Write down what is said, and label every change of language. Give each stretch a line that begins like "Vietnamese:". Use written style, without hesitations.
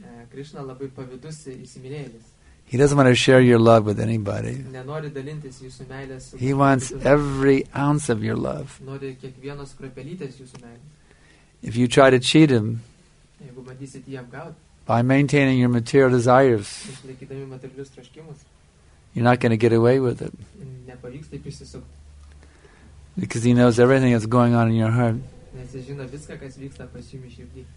Lithuanian: Krishna labai pavydus įsimylėjėlis.
English: He doesn't want to share your love with anybody.
Lithuanian: Nenori dalintis jūsų meilę su
English: He wants every ounce of your love.
Lithuanian: Nori kiekvienos kruopelytės jūsų meilės.
English: If you try to cheat him,
Lithuanian: jeigu bandysit jį apgaut,
English: by maintaining your material desires,
Lithuanian: išlaikydami materialius troškimus,
English: you're not going to get away with it.
Lithuanian: Nepavyks taip išsisukti.
English: Because he knows everything that's going on in your heart.
Lithuanian: Nes jis žino viską, kas vyksta pas jumis širdy.